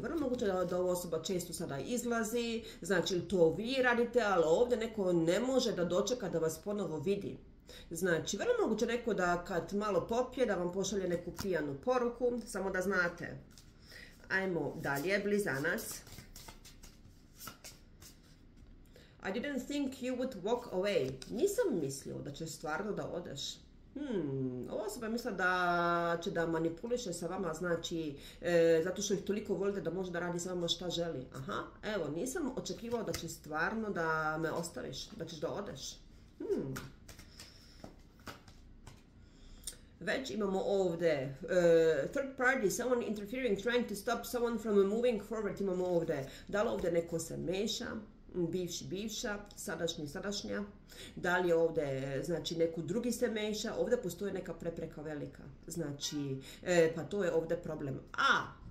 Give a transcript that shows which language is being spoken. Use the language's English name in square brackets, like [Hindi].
[Bosnian] Vrlo moguće da ova osoba često sada izlazi, znači to vi radite, ali ovdje neko ne može da dočeka da vas ponovo vidi. Znači, vrlo moguće neko da kad malo popije, da vam pošalje neku pijanu poruku, samo da znate. Ajmo dalje, blizanac. [English] I didn't think you would walk away. [Bosnian] Nisam mislio da će stvarno da odeš. Ova osoba misla da će da manipuliše sa vama, znači, zato što ih toliko volite da može da radi sa vama šta želi. Aha, evo, nisam očekivao da će stvarno da me ostaviš, da ćeš da odeš. Već imamo ovdje, [English] third party, someone interfering, trying to stop someone from moving forward, [Bosnian] imamo ovdje. Da li ovdje neko se meša, bivša, sadašnji, sadašnja, da li ovdje, znači, neko drugi se meša, ovdje postoje neka prepreka velika, znači, pa to je ovdje problem. A,